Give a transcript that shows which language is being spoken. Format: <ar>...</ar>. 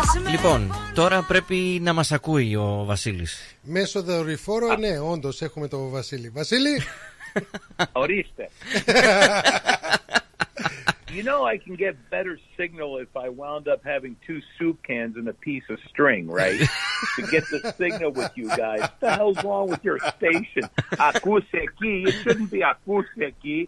<el>Λοιπόν, τώρα πρέπει να μας ακούει ο Βασίλης. Μέσω δορυφόρο, ναι, όντως έχουμε τον Βασίλη. Βασίλη! Ορίστε!</el> <en>You know I can get better signal if I wound up having two soup cans and a piece of string, right? To get the signal with you guys. What the hell's wrong with your station?</en> <el>Ακούσε εκεί,</el> <en>it shouldn't be</en> <el>ακούσε εκεί.</el>